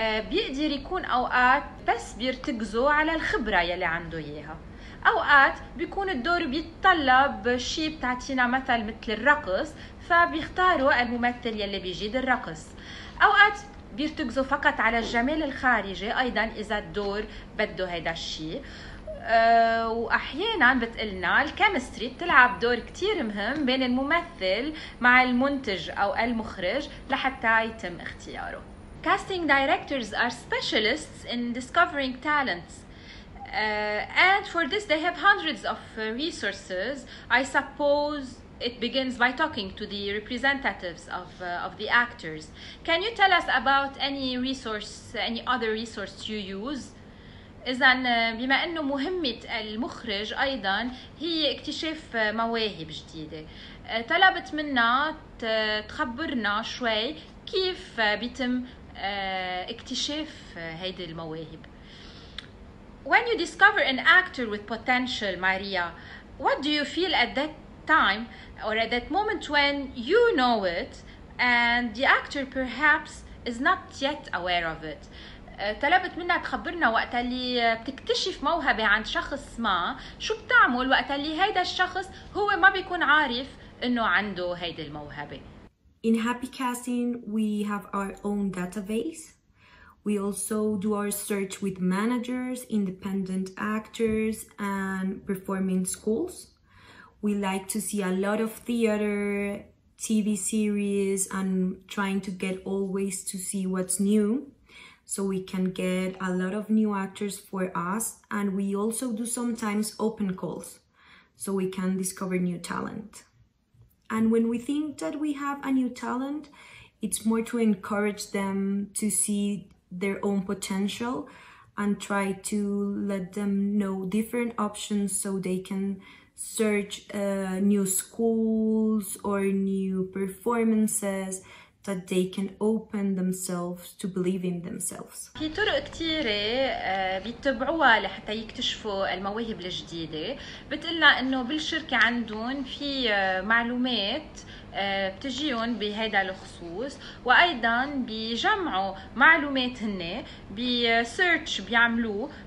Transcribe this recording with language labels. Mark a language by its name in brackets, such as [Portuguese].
[Arabic] بيقدر يكون أوقات بس بيرتكزوا على الخبرة يلي عنده إياها، أوقات بيكون الدور بيتطلب شي بتعطينا مثل مثل الرقص، فبيختاروا الممثل يلي بيجيد الرقص، أوقات بيرتكزوا فقط على الجمال الخارجي أيضا إذا الدور بده هيدا الشي. وأحيانا بتقلنا الكيمستري بتلعب دور كتير مهم بين الممثل مع المنتج أو المخرج لحتى يتم اختياره. [English] Casting directors are specialists in discovering talents. And for this, they have hundreds of resources. I suppose it begins by talking to the representatives of the actors. Can you tell us about any resource, any other resource you use? [Arabic] إذن بما أنه مهمة المخرج أيضا هي اكتشاف مواهب جديدة، طلبت منا تخبرنا شوي كيف بيتم اكتشاف هيدي المواهب. [English] When you discover an actor with potential, Maria, what do you feel at that time or at that moment when you know it and the actor perhaps is not yet aware of it? [Arabic] طلبت منا تخبرنا وقت اللي بتكتشف موهبة عند شخص ما، شو بتعمل وقت اللي هيدا الشخص هو ما بيكون عارف انه عنده هيدي الموهبة؟ [English] In Happy Casting, we have our own database. We also do our search with managers, independent actors, and performing schools. We like to see a lot of theater, TV series, and trying to get always to see what's new, so we can get a lot of new actors for us. And we also do sometimes open calls, so we can discover new talent. And when we think that we have a new talent, it's more to encourage them to see their own potential and try to let them know different options so they can search new schools or new performances that they can open themselves to believe in themselves. [Arabic] في طرق كتيرة بيتبعوها لحتى يكتشفوا المواهب الجديدة. بتقلنا انه بالشركة عندهم في معلومات بتجيهم بهذا الخصوص، وايضا بيجمعوا معلومات هن بسيرش بيعملوه